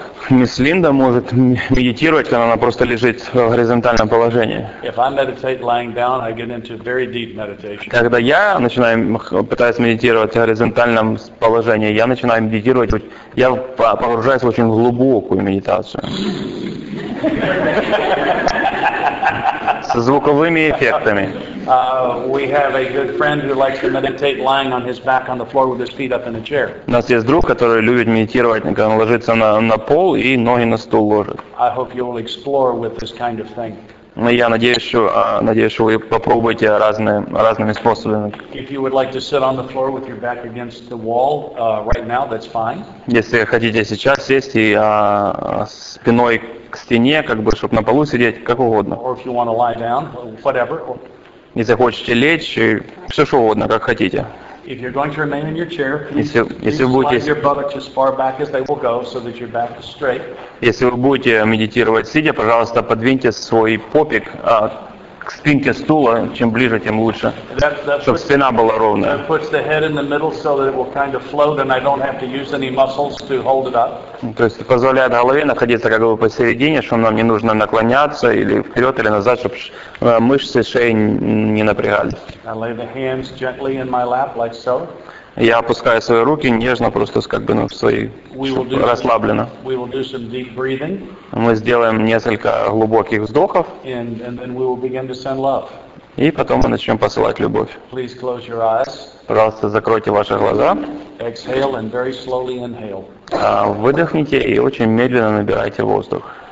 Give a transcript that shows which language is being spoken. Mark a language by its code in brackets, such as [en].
[ru] Мисс Линда может медитировать, когда она просто лежит в горизонтальном положении. [en] If I meditate lying down, I get into very deep meditation. [ru] Когда я начинаю пытаюсь медитировать в горизонтальном положении, я начинаю медитировать, я погружаюсь в очень глубокую медитацию. Со звуковыми эффектами. [en] We have a good friend who likes to meditate lying on his back on the floor with his feet up in a chair. [ru] У нас есть друг, который любит медитировать, когда он ложится на пол и ноги на стул ложит. [en] I hope you'll explore with this kind of thing. [ru] Я надеюсь, что вы попробуете разными способами. [en] If you would like to sit on the floor with your back against the wall right now, that's fine. [ru] Если хотите сейчас сесть и спиной к стене, как бы, чтобы на полу сидеть, как угодно. [en] Or if you want to lie down, whatever. [ru] Не захочете лечь, все что угодно, как хотите. [en] If you're going to remain in your chair, please slide your buttocks as far back as they will go, so that your back is straight. [ru] Если вы будете медитировать сидя, пожалуйста, подвиньте свой попик к спинке стула, чем ближе, тем лучше, чтобы спина была ровная. [en] That puts the head in the middle, so that it will kind of float, and I don't have to use any muscles to hold it up. [ru] То есть позволяет голове находиться как бы посередине, что нам не нужно наклоняться или вперед или назад, чтобы мышцы шеи не напрягались. [en] I lay the hands gently in my lap, like so. [ru] Я опускаю свои руки нежно, просто как бы в свои, расслабленно. [en] We will do some deep breathing. [ru] Мы сделаем несколько глубоких вздохов. [en] And then we will begin to send love. [ru] И потом мы начнем посылать любовь. [en] Please close your eyes. [ru] Пожалуйста, закройте ваши глаза. [en] Exhale and very slowly inhale. [ru] Выдохните и очень медленно набирайте воздух.